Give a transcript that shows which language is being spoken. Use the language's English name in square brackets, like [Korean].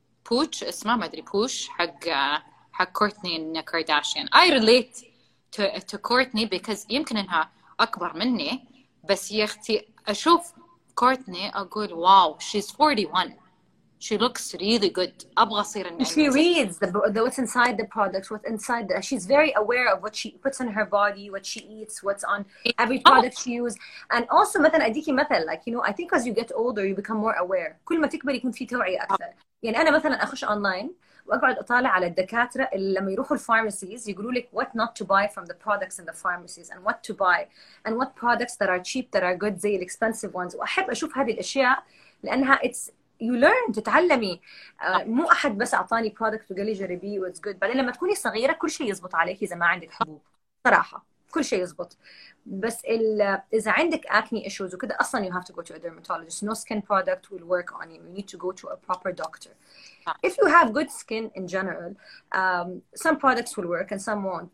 [Arabic] بوش اسمه ما أدري بوش حق كورتني كارداشيان [English] I relate to [Arabic] كورتني [English] because [Arabic] يمكن أنها أكبر مني بس يا أختي أشوف كورتني أقول واو [English] she's 41 she looks really good [Arabic] أبغى أصير النعمة. [English] She reads the what's inside the products what's inside the she's very aware of what she puts in her body what she eats what's on every product she uses and also [Arabic] مثلا أديكي مثل [English] like you know I think as you get older you become more aware [Arabic] كل ما تكبر يكون في توعية أكثر. يعني أنا مثلا أخش أونلاين وأقعد أطالع على الدكاترة اللي لما يروحوا الفارماسيز يقولوا لك [English] what not to buy from the products in the pharmacies and what to buy and what products that are cheap that are good زي الexpensive ones. [Arabic] وأحب أشوف هذه الأشياء لأنها [English] it's you learn [Arabic] تتعلمي مو أحد بس أعطاني product وقال لي جربي [English] it's good. [Arabic] بعدين لما تكوني صغيرة كل شيء يزبط عليك إذا ما عندك حبوب صراحة كل شيء يزبط بس إذا عندك acne issues وكده أصلا [English] you have to go to a dermatologist no skin product will work on you you need to go to a proper doctor. If you have good skin in general, some products will work and some won't.